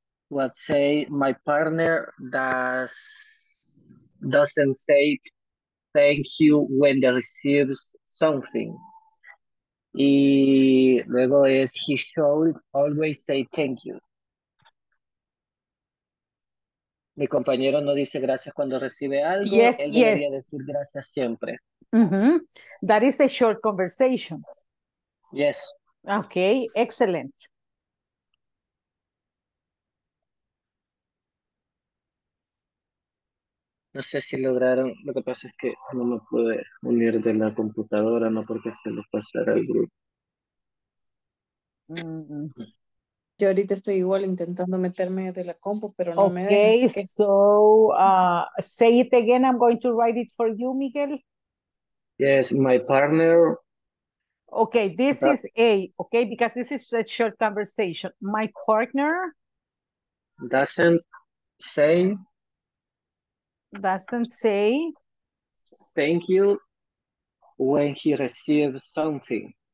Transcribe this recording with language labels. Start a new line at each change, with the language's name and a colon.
English: Let's say my partner doesn't say thank you when they receive something.
Spanish: Y luego es
English: he should always say thank you.
Spanish: Mi compañero no dice gracias cuando recibe algo.
English: Yes,
Spanish: él
English: yes.
Spanish: Debería decir gracias siempre.
English: Mm-hmm. That is the short conversation. Yes. Okay, excellent.
Spanish: No sé si lograron, lo que pasa es que no me pude unir de la computadora, no porque se lo pasara al grupo. Yo ahorita estoy igual intentando meterme de la compu, pero no
English: okay,
Spanish: me da.
English: Okay, so say it again, I'm going to write it for you, Miguel. Yes, my partner. Okay, this is A, okay, because this is a short conversation. My partner doesn't say thank you when he receives something.